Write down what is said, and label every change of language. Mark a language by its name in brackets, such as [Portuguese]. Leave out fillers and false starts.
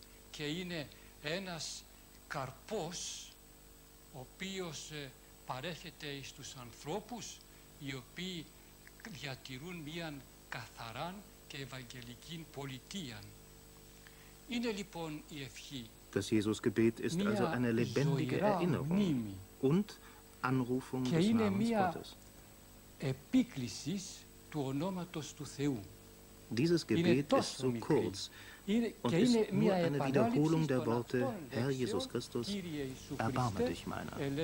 [Greek] Και είναι ένας καρπός ο οποίος παρέχεται στους ανθρώπους οι οποίοι διατηρούν μια καθαρά και ευαγγελική πολιτεία. Είναι λοιπόν η ευχή. [German] Das Jesusgebet ist also eine lebendige Erinnerung und Anrufung des Namens Gottes. [Greek] Επίκληση του ονόματος του Θεού. [German] Dieses Gebet ist so kurz und ist nur eine Wiederholung der Worte: Herr Jesus Christus, erbarme dich meiner.